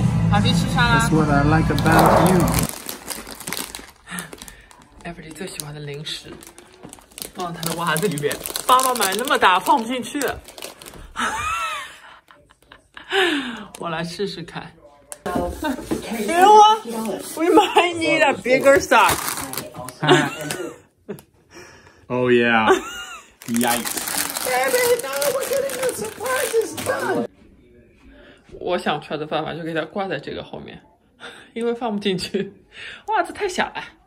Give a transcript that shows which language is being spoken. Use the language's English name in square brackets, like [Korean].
[English] Have you [Chinese] 吃上了 [English] That's what I like about you. [Chinese] Emily 最喜欢的零食放在她的袜子里面，爸爸买那么大放不进去。我来试试看。 [English] You know what? We might need a bigger size. Oh yeah, yikes. Baby, no, we're getting the surprises done. [Chinese] 我想出来的办法就给它挂在这个后面，因为放不进去，袜子太小了。